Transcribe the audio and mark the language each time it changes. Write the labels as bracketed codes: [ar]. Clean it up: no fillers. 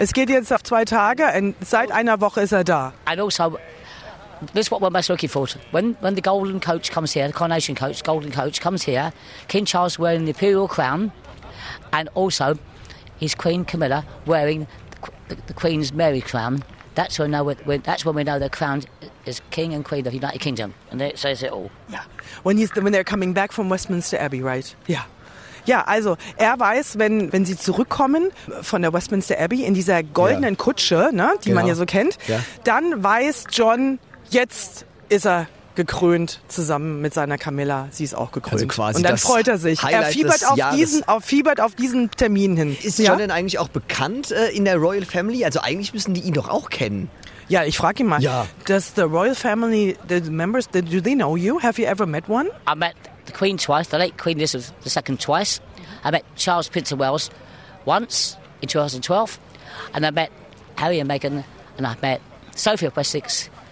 [de] Es geht jetzt auf 2 Tage und seit einer Woche ist er da. [en] And also, this is what we're most looking forward to. When the golden coach comes here, the coronation coach, golden coach comes here, King Charles wearing the imperial crown and also his Queen Camilla wearing the Queen's Mary crown. That's when we know they're crowned as King and Queen of the United Kingdom. And it says it all. Yeah. When they're coming back from Westminster Abbey, right? Yeah. [de] Ja, also er weiß, wenn sie zurückkommen von der Westminster Abbey in dieser goldenen Kutsche, ne, die man ja so kennt, dann weiß John, jetzt ist er gekrönt zusammen mit seiner Camilla. Sie ist auch gekrönt. Also quasi. Und dann freut er sich. Highlight er fiebert auf diesen Termin hin. Ist John denn eigentlich auch bekannt in der Royal Family? Also eigentlich müssen die ihn doch auch kennen. Ja, ich frage ihn mal. Ja. [en] Does the Royal Family, the members, do they know you? Have you ever met one? I met the Queen twice, the late Queen Elizabeth the Second twice. I met Charles Prince of Wales once in 2012. And I met Harry and Meghan and I met Sophie of Wessex.